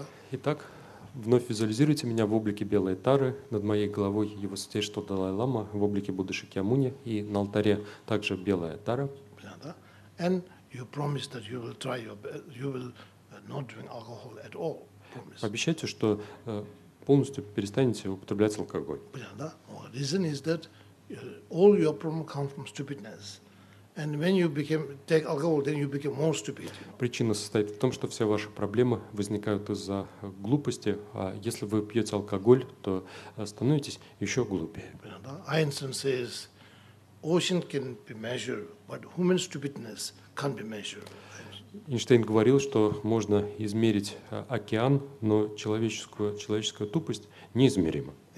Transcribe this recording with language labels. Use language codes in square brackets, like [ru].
[ru] Итак, вновь визуализируйте меня в облике белой тары, над моей головой его святейшество Далай-лама, в облике Будды Шакьямуни, и на алтаре также белая тара. [en] And you promise that you will try your best, you will not drink alcohol at all. [ru] Обещайте, что полностью перестанете употреблять алкоголь. [en] Reason is that all your problems come from stupidness. And when you became take alcohol, then you became more stupid. [ru] Причина состоит в том, что все ваши проблемы возникают из-за глупости. А если вы пьете алкоголь, то становитесь еще глупее. [en] Einstein says, ocean can be measured, but human stupidness can't be measured. [ru] Эйнштейн говорил, что можно измерить океан, но человеческую тупость неизмерима.